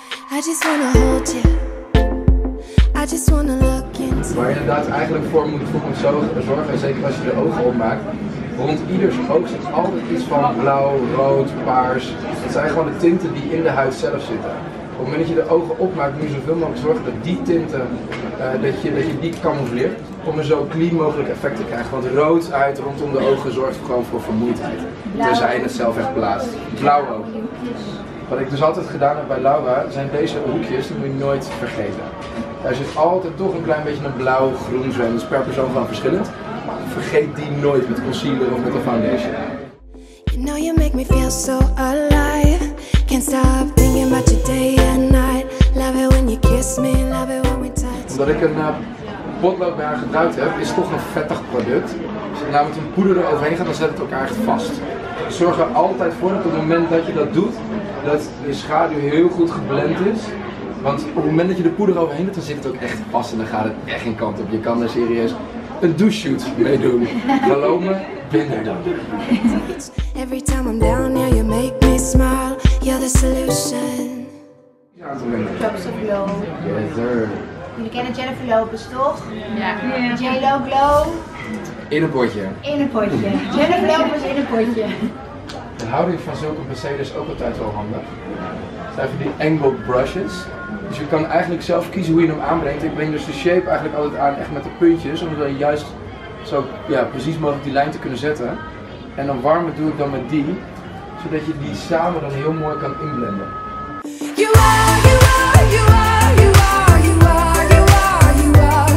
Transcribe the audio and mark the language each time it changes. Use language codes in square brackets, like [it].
[en] I just wanna hold you. I just wanna look into. [nl] Maar inderdaad, eigenlijk voor moet je voor zorgen, zeker als je de ogen opmaakt. Rond ieders oog zit altijd iets van blauw, rood, paars. Het zijn gewoon de tinten die in de huid zelf zitten. Op het moment dat je de ogen opmaakt, moet je zoveel mogelijk zorgen dat die tinten, dat je die camoufleert. Om een zo clean mogelijk effect te krijgen. Want rood uit rondom de ogen zorgt gewoon voor vermoeidheid. Tenzij je het zelf echt blaast. Blauw ook. Wat ik dus altijd gedaan heb bij Laura, zijn deze hoekjes, die moet je nooit vergeten. Daar zit altijd toch een klein beetje een blauw, groen zwem, dat is per persoon gewoon verschillend. Vergeet die nooit met concealer of met een foundation. [en] You know you make me feel so alive. Can't stop thinking about you day and night. Love it when you kiss me, love it when we touch. [nl] Omdat ik een potlood bij haar gebruikt heb, is toch een vettig product. Als je nou met een poeder eroverheen gaat, dan zet het elkaar echt vast. Zorg er altijd voor dat op het moment dat je dat doet, dat je schaduw heel goed geblend is. Want op het moment dat je de poeder overheen doet, dan zit het ook echt vast en dan gaat het echt geen kant op. Je kan er serieus een douche-shoot mee doen. Geloof me, binnen dan. [en] Every time I'm down here, you make me smile. You're the solution. Jennifer Lopez. Yes, sir. [nl] Jullie kennen Jennifer Lopez, toch? Ja. [en] Yeah. J-Lo Glow. [nl] In een potje. In een potje. Jennifer Lopez in een potje. De houding van zulke Mercedes is ook altijd wel handig. Zijn van die angled brushes. Dus je kan eigenlijk zelf kiezen hoe je hem aanbrengt. Ik breng dus de shape eigenlijk altijd aan echt met de puntjes. Om dan juist zo precies mogelijk die lijn te kunnen zetten. En dan warmen doe ik dan met die. Zodat je die samen dan heel mooi kan inblenden. [en] You are, you are, you are, you are, you are.